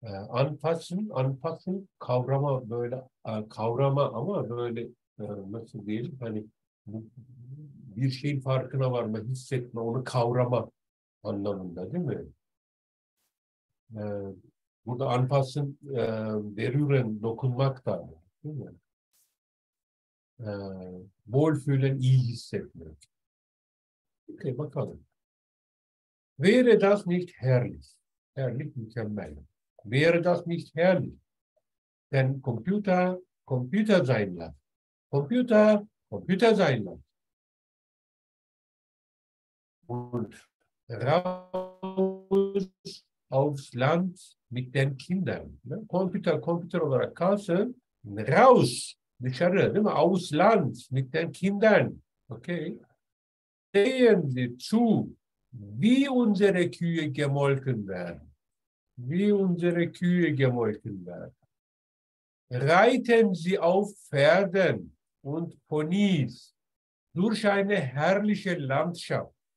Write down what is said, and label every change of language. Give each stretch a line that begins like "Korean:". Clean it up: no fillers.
Turkish: Anfassen kavrama böyle kavrama ama böyle nasıl diyelim hani bir şeyin farkına varma, hissetme, onu kavrama anlamında değil mi? Burada anfassen, berühren, dokunmak da değil mi? Wohlfühlen, iyi hissetme. Okay, bakalım.
German: Wäre das nicht herrlich? Herrlich, mükemmel. Wäre das nicht herrlich? Denn Computer, Computer sein lassen. Computer, Computer sein lassen. Und raus aufs Land mit den Kindern.
Turkish: Ne? Computer, Computer olarak kalsın. Raus, dışarı, değil mi?
German: Aufs Land mit den Kindern. Okay. Sehen Sie zu, wie unsere Kühe gemolken werden. Wie unsere Kühe gemolken werden. Reiten Sie auf Pferden und Ponys durch eine herrliche Landschaft.